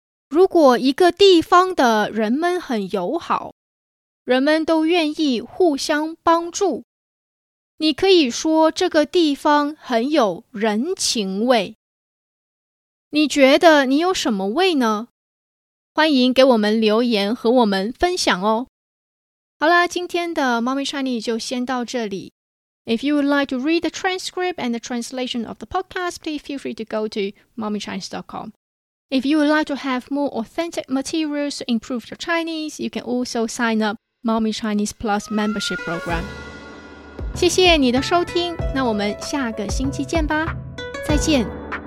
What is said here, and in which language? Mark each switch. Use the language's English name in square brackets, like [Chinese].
[Chinese] 如果一个地方的人们很友好，人们都愿意互相帮助，你可以说这个地方很有人情味。你觉得你有什么味呢？欢迎给我们留言和我们分享哦。好啦，今天的 Mommy Chinese 就先到这里。 [English] If you would like to read the transcript and the translation of the podcast, please feel free to go to mommychinese.com. If you would like to have more authentic materials to improve your Chinese, you can also sign up Mommy Chinese Plus Membership Program. [Chinese] 谢谢你的收听，那我们下个星期见吧，再见。